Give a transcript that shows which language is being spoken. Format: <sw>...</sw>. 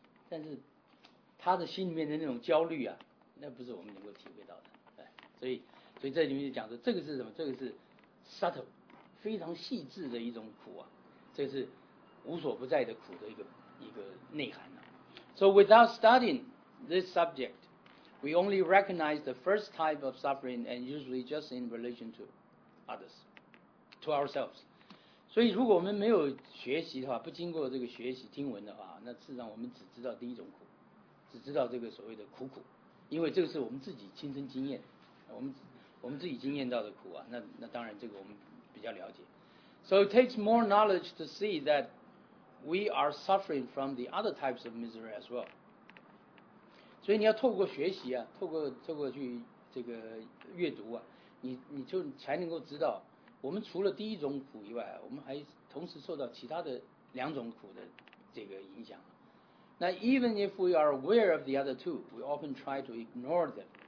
<zh>但是他的心里面的那种焦虑啊，那不是我们能够体会到的。对，所以这里面就讲说，这个是什么？这个是 subtle， 非常细致的一种苦啊，这个是无所不在的苦的一个内涵啊。</zh> <en>So without studying this subject, we only recognize the first type of suffering and usually just in relation to others, to ourselves.</en> <zh>所以如果我们没有学习的话，不经过这个学习听闻的话，那事实上我们只知道第一种苦，只知道这个所谓的苦苦，因为这个是我们自己亲身经验，我们自己经验到的苦啊，那当然这个我们比较了解。</zh> <en>So it takes more knowledge to see that we are suffering from the other types of misery as well.</en> <zh>所以你要透过学习啊，透过去这个阅读啊，你就才能够知道，我们除了第一种苦以外，我们还同时受到其他的两种苦的这个影响。</zh> <en>那 even if we are aware of the other two, we often try to ignore them.</en>